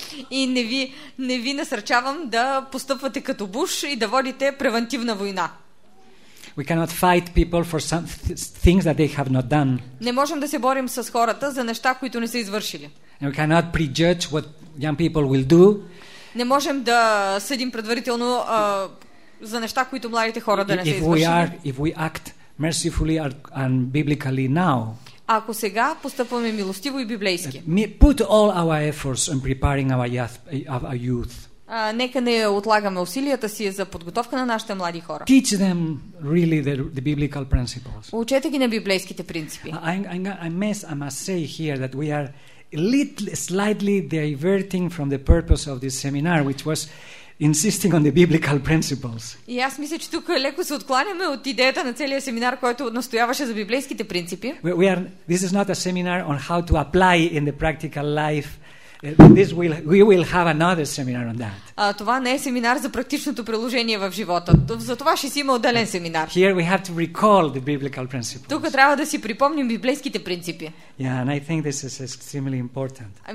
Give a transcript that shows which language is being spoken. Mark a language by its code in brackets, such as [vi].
[bg] И не ви насърчавам да постъпвате като Буш и да водите превентивна война. [en] We cannot fight people for some things that they have not done. [bg] Не можем да се борим с хората за неща, които не са извършили. [en] And we cannot prejudge what young people will do. [bg] Не можем да съдим предварително за неща, които младите хора да не са извършили. [en] If we act mercifully and biblically now. [bg] Ако сега постъпваме милостиво и библейски. [en] Put all our efforts in preparing our youth. [bg] Нека не отлагаме усилията си за подготовка на нашите млади хора. [en] Teach them really the biblical principles. [bg] Учете ги на библейските принципи. [en] I must say here that we are slightly diverting from the purpose of this seminar, which was insisting on the biblical principles. [bg] И аз мисля, че тук леко се отклоняме от идеята на целия семинар, който настояваше за библейските принципи. [en] This is not a seminar on how to apply in the practical life. We will have another seminar on that. [bg] Това не е семинар за практичното приложение в живота. За това ще си има отделен семинар. [en] Here we have to recall the biblical principles. [bg] Тук трябва да си припомним библейските принципи. [en] Yeah, and I think this is extremely important.